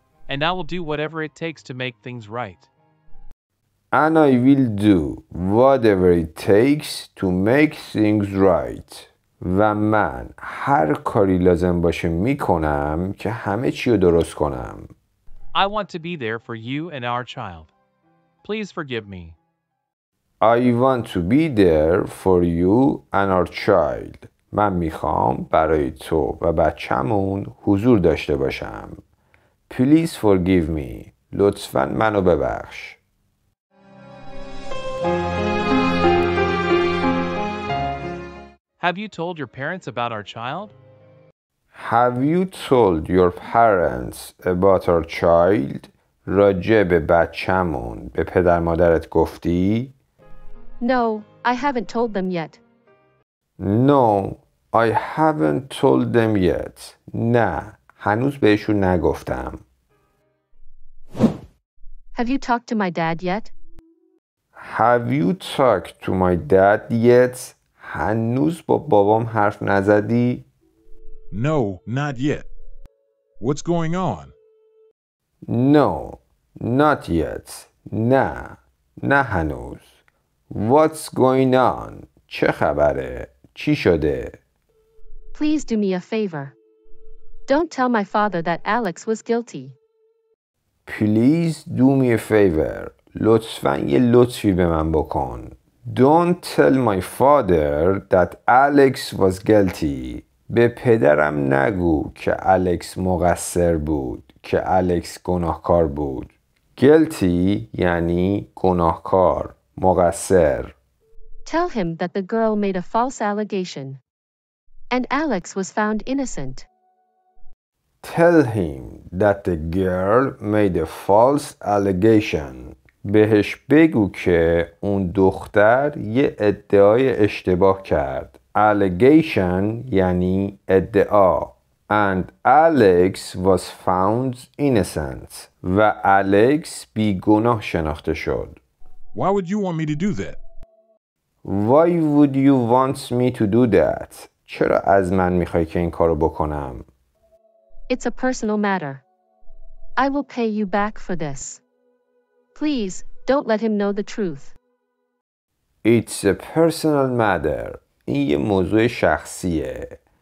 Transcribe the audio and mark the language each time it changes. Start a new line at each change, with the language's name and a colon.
English: And I will do whatever it takes to make things right. And I will do whatever it takes to make things right.
Persian: و من هر کاری لازم باشه میکنم که همه چی رو درست کنم.
English: I want to be there for you and our child. Please forgive me. I want to be there for you and our child.
Persian: من میخوام برای تو و بچه‌مون حضور داشته باشم.
English: Please forgive me.
Persian: لطفاً منو ببخش.
English: Have you told your parents about our child? Have you told your parents about our child?
Persian: راجع به بچه‌مون به پدر مادرت گفتی؟
English: No, I haven't told them yet. No, I haven't told them yet.
Persian: نه, هنوز بهشون نگفتم.
English: Have you talked to my dad yet? Have you talked to my dad yet?
Persian: هنوز با بابام حرف نزدی؟
English: No, not yet. What's going on? No, not yet.
Persian: نه, نه هنوز.
English: What's going on?
Persian: چه خبره؟ چی شده؟
English: Please do me a favor. Don't tell my father that Alex was guilty. Please do me a favor.
Persian: لطفاً یه لطفی به من بکن.
English: Don't tell my father that Alex was guilty.
Persian: به پدرم نگو که Alex مقصر بود. که Alex گناهکار بود. Guilty یعنی گناهکار. مقصر.
English: Tell him that the girl made a false allegation. And Alex was found innocent. Tell him that the girl made a false allegation.
Persian: بهش بگو که اون دختر یه ادعای اشتباه کرد. Allegation یعنی ادعا.
English: And Alex was found innocent.
Persian: و Alex بی گناه شناخته شد.
English: Why would you want me to do that? Why would you want me to do that?
Persian: چرا از من میخوای که این کارو بکنم؟
English: It's a personal matter. I will pay you back for this. Please, don't let him know the truth. It's a personal matter.
Persian: این یه موضوع شخصیه.